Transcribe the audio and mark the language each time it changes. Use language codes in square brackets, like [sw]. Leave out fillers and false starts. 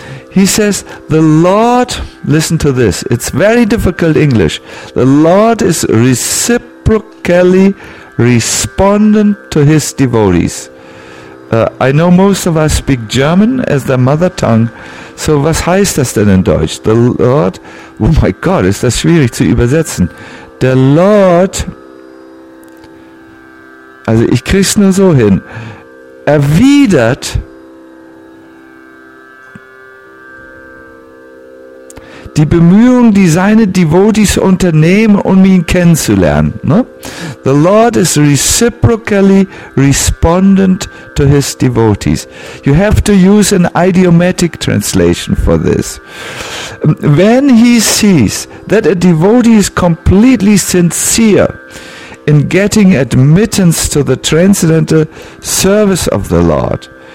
[en] He says, the Lord, listen to this, it's very difficult English. The Lord is reciprocally respondent to his devotees. I know most of us speak German as their mother tongue, so [de] was heißt das denn in Deutsch? [en] The Lord, oh my God, [de] ist das schwierig zu übersetzen. Der Lord, also ich krieg's nur so hin, erwidert die Bemühungen, die seine Devotees unternehmen, um ihn kennenzulernen. Ne? [en] The Lord is reciprocally respondent to his devotees. You have to use an idiomatic translation for this. When he sees that a devotee is completely sincere in getting admittance to the transcendental service of the Lord,